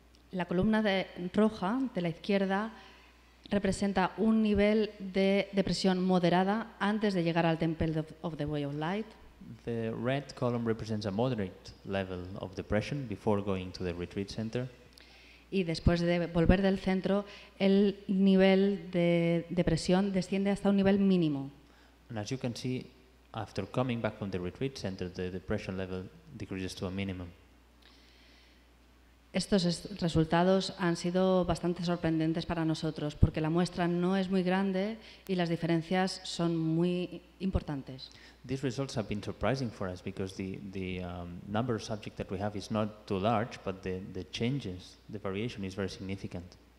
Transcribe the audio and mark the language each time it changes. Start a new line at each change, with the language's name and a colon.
Spanish: La columna de roja de la izquierda representa un nivel de depresión moderada antes de llegar al Temple of the Way of Light.
English: The red column represents a moderate level of depression before going to the retreat center.
Spanish: Y después de volver del centro, el nivel de depresión desciende hasta un nivel mínimo.
English: And as you can see, after coming back from the retreat center, the depression level decreases to a minimum.
Spanish: Estos resultados han sido bastante sorprendentes para nosotros, porque la muestra no es muy grande y las diferencias son muy importantes.
English: These results have been surprising for us because the number of subjects that we have is not too large, but the changes, the variation is very significant.